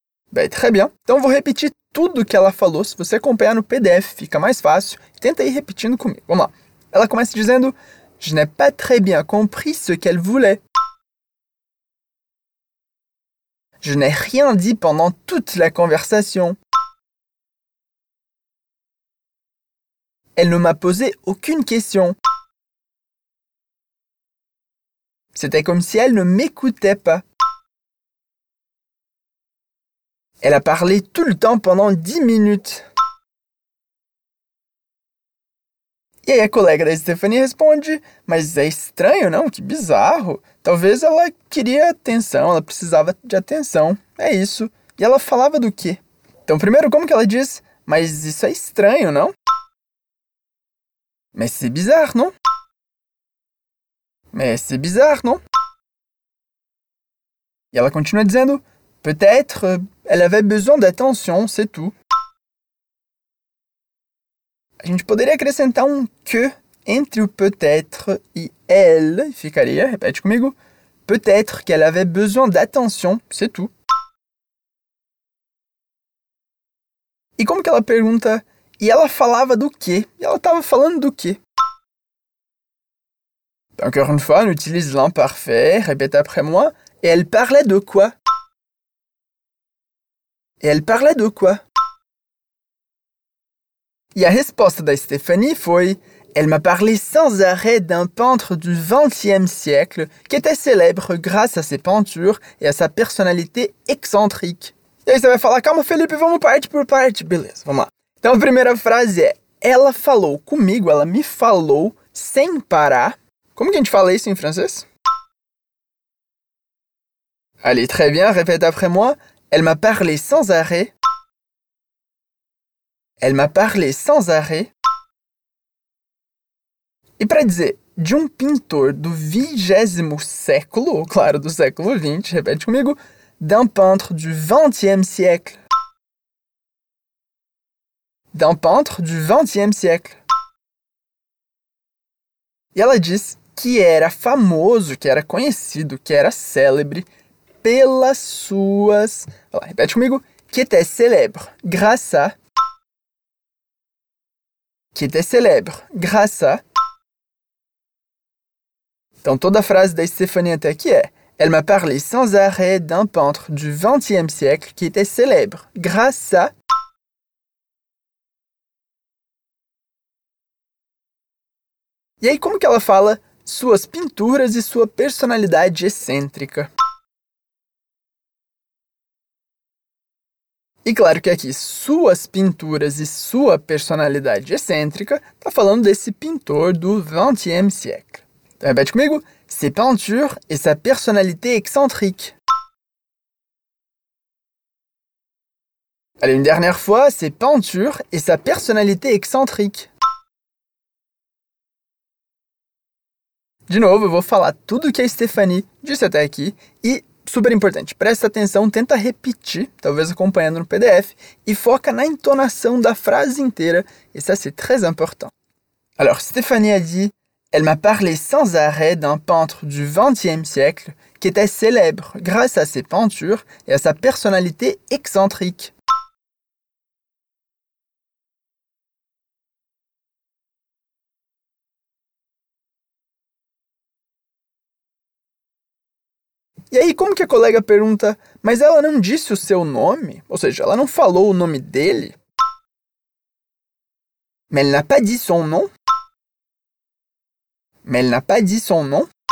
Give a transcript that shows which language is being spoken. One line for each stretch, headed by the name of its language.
Portuguese: Bem,
French: très bien.
Portuguese: Então vou repetir tudo o que ela falou. Se você acompanhar no PDF, fica mais fácil. Tenta ir repetindo comigo. Vamos lá. Ela começa dizendo:
French: Je n'ai pas très bien compris ce qu'elle voulait. Je n'ai rien dit pendant toute la conversation. Elle ne m'a posé aucune question. C'était comme si elle ne m'écoutait pas. Elle a parlé tout le temps pendant 10 minutes.
Portuguese: E aí a colega da Stephanie responde: Mas é estranho, não? Que bizarro. Talvez ela queria atenção, ela precisava de atenção. É isso. E ela falava do quê? Então, primeiro, como que ela diz? Mas isso é estranho, não? Mas
French: c'est bizarre,
Portuguese: não? Mas
French: c'est bizarre,
Portuguese: não? E ela continua dizendo:
French: Peut-être elle avait besoin d'attention, c'est tout.
Portuguese: A gente poderia acrescentar um que entre o peut-être e elle, ficaria, repete comigo,
French: peut-être qu'elle avait besoin d'attention, c'est tout.
Portuguese: E como que ela pergunta, e ela falava do quê? E ela estava falando do quê?
French: Encore une fois, on utilise l'imparfait, répète après moi, et elle parlait de quoi? Et elle parlait de quoi?
Portuguese: E a resposta da Stephanie foi:
French: Elle m'a parlé sans arrêt d'un peintre du XXe siècle qui était célèbre grâce à ses peintures et à sa personnalité excentrique.
Portuguese: E aí você vai falar: Calma, Felipe, vamos parte por parte. Beleza, vamos lá. Então a primeira frase é: Ela falou comigo, ela me falou sem parar. Como que a gente fala isso em francês?
French: Allez, très bien, répète après moi. Elle m'a parlé sans arrêt. Elle m'a parlé sans arrêt.
Portuguese: E para dizer de um pintor do 20º século, claro, do século 20, repete comigo,
French: d'un peintre du 20e siècle. D'un peintre du 20e siècle.
Portuguese: E ela diz que era famoso, que era conhecido, que era célebre pelas suas... Olha lá, repete comigo.
French: Que était célèbre, grâce à... Qui était célèbre, grâce à...
Portuguese: Então, toda a frase da Stephanie até aqui é:
French: Elle m'a parlé sans arrêt d'un peintre du XXe siècle qui était célèbre, grâce à...
Portuguese: E aí, como que ela fala suas pinturas e sua personalidade excêntrica? E claro que aqui, suas pinturas e sua personalidade excêntrica, tá falando desse pintor do 20e siècle. Então, repete comigo.
French: Ses peintures et sa personnalité excentrique. Allez, une dernière fois. Ses peintures et sa personnalité excentrique.
Portuguese: De novo, eu vou falar tudo o que a Stephanie disse até aqui e... Super importante, presta atenção, tenta repetir, talvez acompanhando no PDF, e foca na entonação da frase inteira.
French: Et ça, c'est très important. Alors, Stéphanie a dit: Elle m'a parlé sans arrêt d'un peintre du XXe siècle qui était célèbre grâce à ses peintures et à sa personnalité excentrique.
Portuguese: E aí, como que a colega pergunta, mas ela não disse o seu nome? Ou seja, ela não falou o nome dele?
French: Mais elle n'a pas dit son nom? Mais elle n'a pas dit son nom?